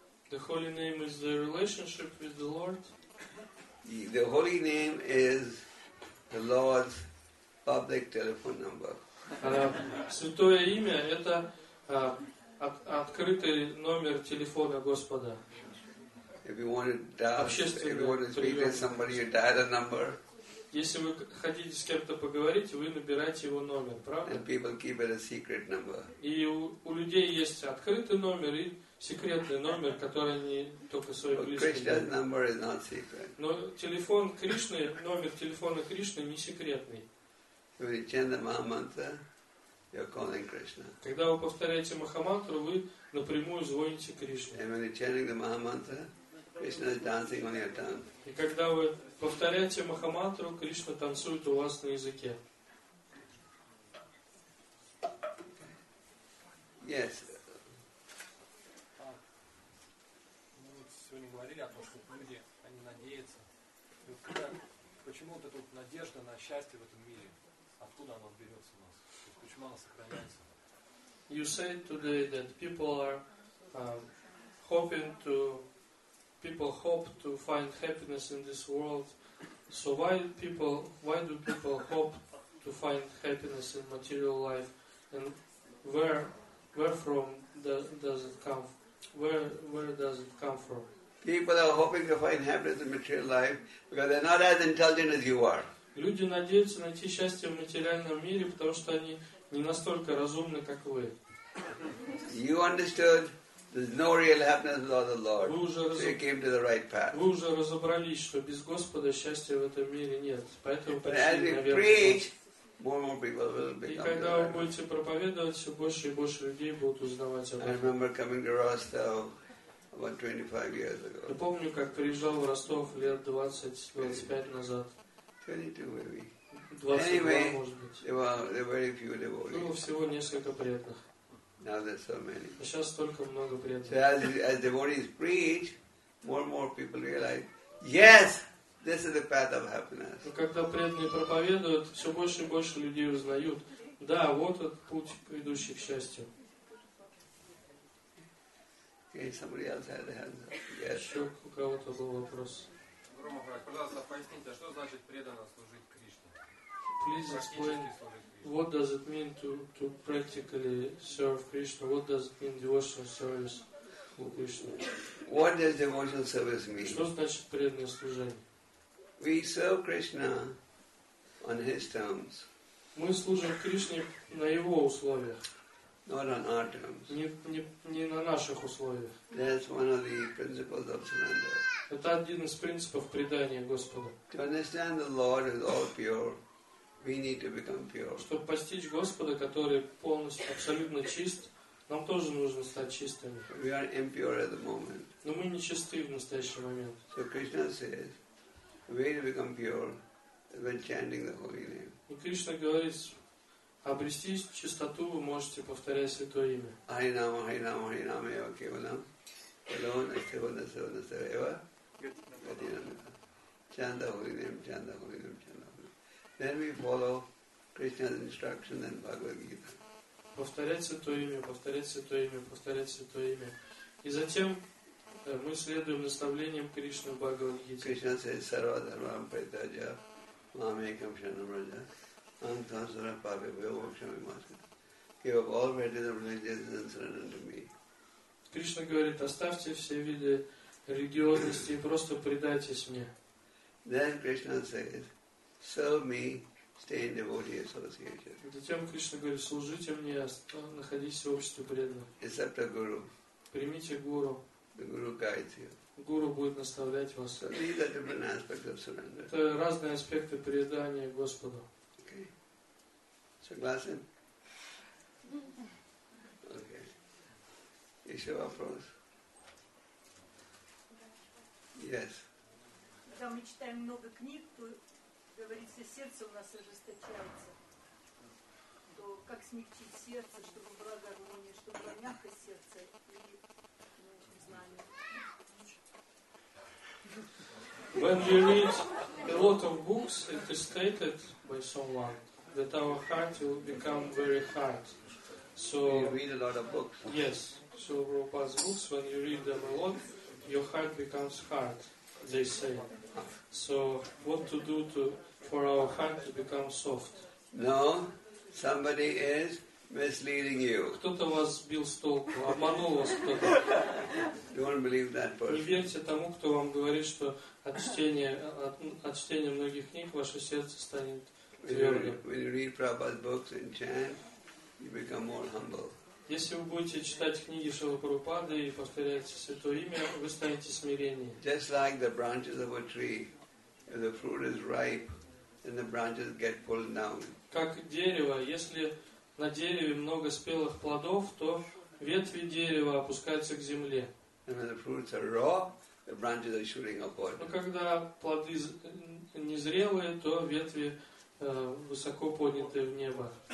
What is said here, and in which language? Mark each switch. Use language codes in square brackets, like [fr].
[en] The holy name is the relationship with the Lord. The holy name is the Lord's public telephone number. [ru] Святое имя это открытый номер телефона Господа. [en] If you want to speak to somebody, you dial a number. [ru] Если вы хотите с кем-то поговорить, вы набираете его номер, правда? [en] And people keep it a secret number. [ru] И у людей есть открытый номер и секретный номер, который не только свои близкие. [en] Krishna's number is not secret. [ru] Но телефон Кришны, номер телефона Кришны не секретный. [en] When you chant the Maha Mantra, You're calling Krishna. [ru] Когда вы повторяете Махамантру, вы напрямую звоните Кришне. [en] And when you're chanting the Mahamantra, Krishna is dancing on your tongue. [ru] И когда вы повторяете Махамантру, Кришна танцует у вас на языке. [en] Yes. [ru] Сегодня говорили о том, что люди, они надеются. И вот когда, почему вот эта вот надежда на счастье в этом мире, откуда она берется у нас? Почему она сохраняется? [en] You said today that people are hope to find happiness in this world. So why do people hope to find happiness in material life? And where does it come from? People are hoping to find happiness in material life because they're not as intelligent as you are. [ru] Люди надеются найти счастье в материальном мире, потому что они не настолько разумны, как вы. [en] You understood there's no real happiness without the Lord. So you came to the right path. [ru] Вы уже разобрались, что без Господа счастья в этом мире нет, поэтому пришли на верный путь. [en] More people will become. [ru] И когда вы будете проповедовать, все больше и больше людей будут узнавать об этом. [en] I remember coming to Rostov. About 25 years ago. [ru] Я помню, как приезжал в Ростов лет 20-25 назад. [en] 22, maybe. [ru] 22, может быть. [en] There were very few devotees. [ru] Было всего несколько преданных. [en] Now there's so many. [ru] А сейчас столько много преданных. [en] So as devotees preach, more and more people realize, yes, this is the path of happiness. [ru] Но когда преданные проповедуют, все больше и больше людей узнают, да, вот этот путь, ведущий к счастью. [en] Okay, somebody else had a hand. [ru] Yes. Еще у кого-то был вопрос. Грома, пожалуйста, поясните, что значит преданно служить Кришне? [en] Please explain, what does it mean to practically serve Krishna? What does it mean devotional service for Krishna? What does devotional service mean? [ru] Что значит преданное служение? [en] We serve Krishna on His terms. [ru] Мы служим Кришне на Его условиях. [en] Not on our terms. [ru] Не на наших условиях. [en] That's one of the principles of surrender. [ru] Это один из принципов предания Господу. [en] To understand the Lord is all pure, we need to become pure. [ru] Чтобы постичь Господа, который полностью, абсолютно чист, нам тоже нужно стать чистыми. [en] We are impure at the moment. [ru] Но мы нечисты в настоящий момент. [en] So Krishna says, the way to become pure is by chanting the holy name. [ru] И Кришна говорит. Обрести чистоту вы можете, повторяя святое имя. Айнама, айнама, айнама, айнама, кеванам. Элон, айтевана, севана, севева. Чанда, хулинем, чанда, хулинем, чанда, хулинем. [en] Then we follow Krishna's instruction and Bhagavad Gita. [ru] Повторять святое имя, повторять святое имя, повторять святое имя. И затем мы следуем наставлениям Кришны в Бхагавад Гите. [en] Krishna says, [sa] сарва дармам прайтаджа, мамекам шанам раджа. Антасара Папе, Вилвакшами Маска. [en] Give up all religious religions and surrender to me. [ru] Кришна говорит, оставьте все виды религиозности и просто предайтесь мне. [en] Then Krishna says, serve me, stay in devotee association. [ru] Затем Кришна говорит, служите мне, находитесь в обществе преданных. [en] Accept a guru. [ru] Примите гуру. [en] The guru guides you. [ru] Гуру будет наставлять вас. [en] So these are different aspects of surrender. [ru] Это разные аспекты предания Господу. Согласен? Окей. Еще вопрос? [en] Yes. [ru] Когда мы читаем много книг, то, говорится, сердце у нас ожесточается. То как смягчить сердце, чтобы была гармония, чтобы была мягкость сердца и знание? [en] When you read a lot of books, it is stated by someone that our heart will become very hard. So you read a lot of books. Yes. So Prabhupada's books, when you read them a lot, your heart becomes hard, they say. So what to do for our heart to become soft? No, somebody is misleading you. [ru] Кто-то вас сбил с толку, обманул вас кто-то. [en] Don't believe that person. [ru] Не верьте тому, кто вам говорит, что от чтения многих книг ваше сердце станет. [en] When you read Prabhupada's books and chant, you become more humble. [ru] Если вы будете читать книги Шрилы Прабхупады и повторять святое имя, вы станете смиреннее. [en] Just like the branches of a tree, if the fruit is ripe, then the branches get pulled down. [ru] Как дерево, если на дереве много спелых плодов, то ветви дерева опускаются к земле. Но когда плоды незрелые, то ветви высоко подняты в небо.